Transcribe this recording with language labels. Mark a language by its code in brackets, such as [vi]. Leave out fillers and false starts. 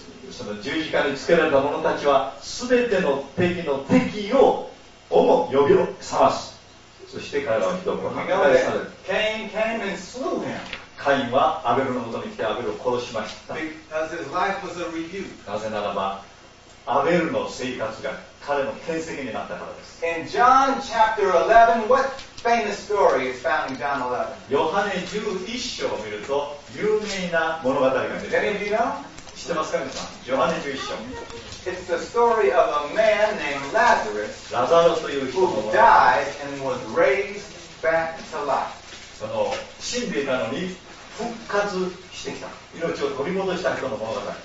[ja] その十字架につけられた者たちは、すべての敵の敵ををも呼び覚ます。そして彼らは人を破壊される。 [en] Cain came and slew him. [ja] カインはアベルのもとに来てアベルを殺しました。 [en] Because his life was a rebuke. [ja] なぜならばアベルの生活が彼の転生になったからです。 [en] In John chapter 11, what famous story is found in John 11? [ja] ヨハネ11章を見ると有名な物語が出てきます。 [en] Any of you know? [ja] 知ってますか皆さん？ヨハネ11章。 [en] It's the story of a man named Lazarus, [ja] ラザロという人 [en] の、who died and was raised back to life. [ja] その死んでいたのに復活してきた。命を取り戻した人の物語。